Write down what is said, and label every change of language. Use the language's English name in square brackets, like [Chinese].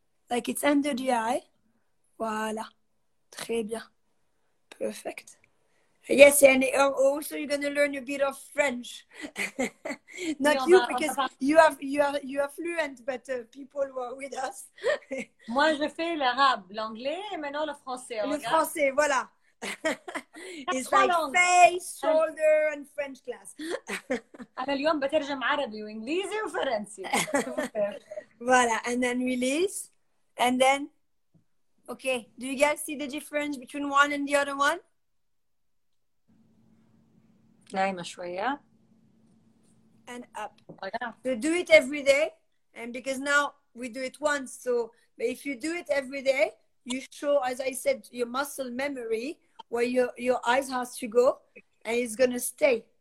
[English] Like it's under the eye. Voilà. [French] Très bien. [English] Perfect. Yes, and also you're going to learn a bit of French. Not you, because you are fluent, but people who are with us. [French] Moi, je fais l'arabe, l'anglais, et maintenant le français. Le français, voilà. [English] It's like long. Face, shoulder, and French class. [Arabic] أنا اليوم بترجم عربي وإنجليزي وفرنسي. [English] Voilà, and then release. And then, okay, do you guys see the difference between one and the other one? [Arabic] نايمة شوية. [English] And up. So do it every day. And because now we do it once, so if you do it every day, you show, as I said, your muscle memory where your eyes has to go and it's going to stay.